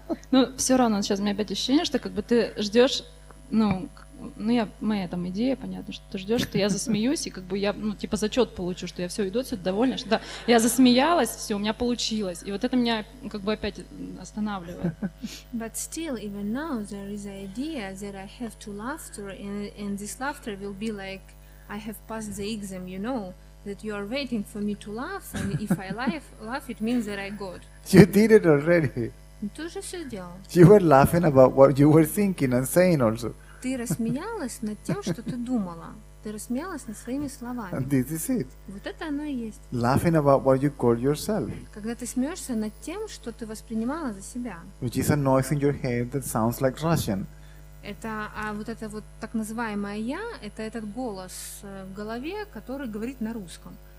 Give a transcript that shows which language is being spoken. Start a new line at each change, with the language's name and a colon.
Russian: Ну, все равно, сейчас у меня опять ощущение, что как бы ты ждешь, моя там идея, понятно, что ты ждешь, что я засмеюсь, и как бы я, ну, типа, зачет получу, что я все, иду отсюда довольна, что да, я засмеялась, все, у меня получилось. И вот это меня как бы опять останавливает.
English: But still, even now, there is an idea that I have to laughter, and this laughter will be like, I have passed the exam, you know, that you are waiting for me to laugh, and if I laugh, it means that I got. You did it already.
Russian: Ты уже все сделал.
English: You were laughing about what you were thinking and saying also.
Russian: Ты рассмеялась над тем, что ты думала. Ты рассмеялась над своими словами.
English: This is it.
Russian: Вот это оно и есть.
English: Laughing about what you call yourself.
Russian: Когда ты смеешься над тем, что ты воспринимала за себя.
English: Which is a noise in your head that sounds like Russian.
Russian: Это, а вот это вот так называемое «я» — это этот голос в голове, который говорит на русском.